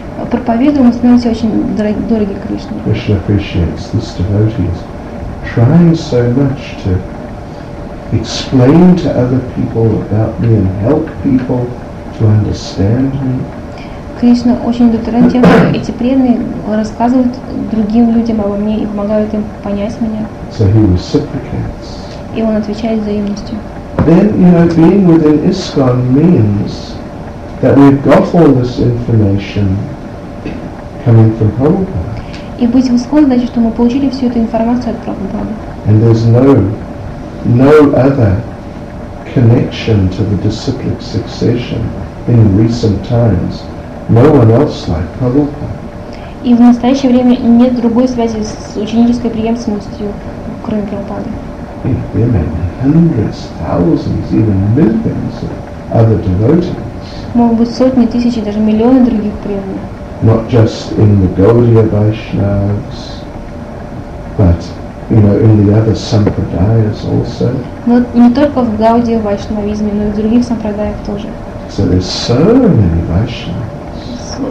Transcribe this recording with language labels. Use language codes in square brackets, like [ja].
[ru] Проповедуем, мы становимся очень дороги Кришне. [en] Krishna appreciates this devotee is trying so much to explain to other people about me and help people to understand me. [ru] Кришна очень удовлетворен тем, что эти преданные рассказывают другим людям обо мне и помогают им понять меня. [en] So he reciprocates. [ru] И он отвечает взаимностью. [en] Then, you know, being within ISKCON means that we've got all this information coming from Prabhupada. [ru] И быть в ИСККОН значит, что мы получили всю эту информацию от Прабхупады. [en] And there's no other connection to the disciplic succession in recent times. No one else like Prabhupada. [ru] И в настоящее время нет другой связи с ученической преемственностью, кроме Прабхупады. [en] There may be hundreds, thousands, even millions of other devotees. [ru] Могут быть сотни, тысячи, даже миллионы других преданных. [en] Not just in the Gaudiya Vaishnavas, but you know, in the other sampradayas also. Not [ru] не только в Гаудия Вайшнавизме, но и в других сампрадаях тоже. [en] So there's so many Vaishnavas.